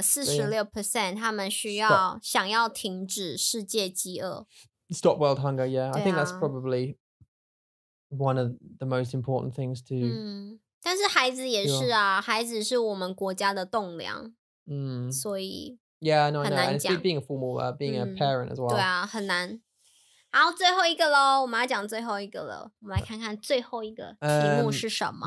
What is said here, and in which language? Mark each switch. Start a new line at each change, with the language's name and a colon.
Chinese: 46% 他们需要想要停止世界饥饿。
English: Stop world hunger, yeah. I think that's probably one of the most important things to...
Chinese: 但是孩子也是啊，孩子是我们国家的栋梁，所以
English: yeah, no,
Chinese: 很难讲。
English: No, no. Being a formal, being a parent as well.
Chinese: 对啊，很难。好，最后一个咯，我们要讲最后一个了。我们来看看最后一个题目是什么。